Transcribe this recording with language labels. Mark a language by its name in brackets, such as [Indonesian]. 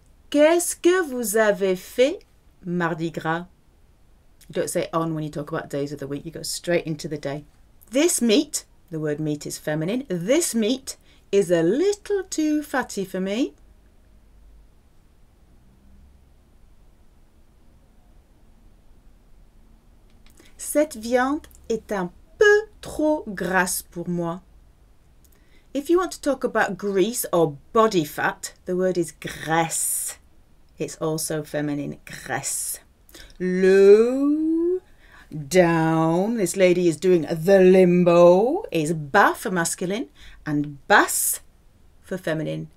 [French] Qu'est-ce que vous avez fait mardi gras? [English] You don't say on when you talk about days of the week, you go straight into the day. This meat. The word meat is feminine. This meat is a little too fatty for me. [French] Cette viande est un peu trop grasse pour moi. [English] If you want to talk about grease or body fat, the word is graisse. It's also feminine, graisse. Le down, this lady is doing the limbo, is bas for masculine and basse for feminine.